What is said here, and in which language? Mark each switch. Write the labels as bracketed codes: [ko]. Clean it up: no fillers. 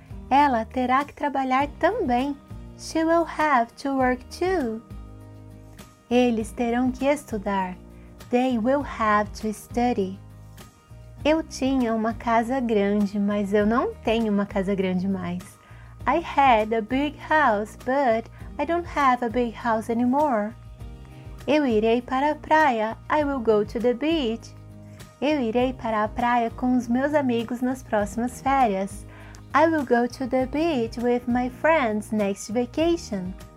[pt] Ela terá que trabalhar também. [en] She will have to work too. [pt] Eles terão que estudar. [en] They will have to study. [pt] Eu tinha uma casa grande, mas eu não tenho uma casa grande mais. [en] I had a big house, but I don't have a big house anymore. [pt] Eu irei para a praia. [en] I will go to the beach. [pt] Eu irei para a praia com os meus amigos nas próximas férias. [en] I will go to the beach with my friends next vacation.